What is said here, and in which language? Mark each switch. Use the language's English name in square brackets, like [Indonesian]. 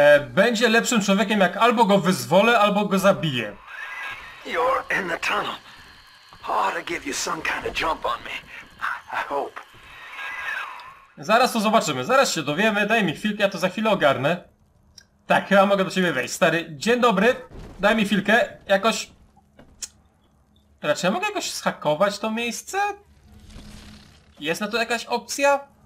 [Polish] Będzie lepszym człowiekiem, jak albo go wyzwolę, albo go zabiję. [English] You're in the tunnel. Ought to give you some kind of jump on me. I hope. [Polish] Zaraz to zobaczymy, zaraz się dowiemy, daj mi chwilkę, ja to za chwilę ogarnę. Tak, chyba mogę do ciebie wejść, stary. Dzień dobry, daj mi chwilkę, jakoś... Raczej ja mogę jakoś zhakować to miejsce? Jest na to jakaś opcja?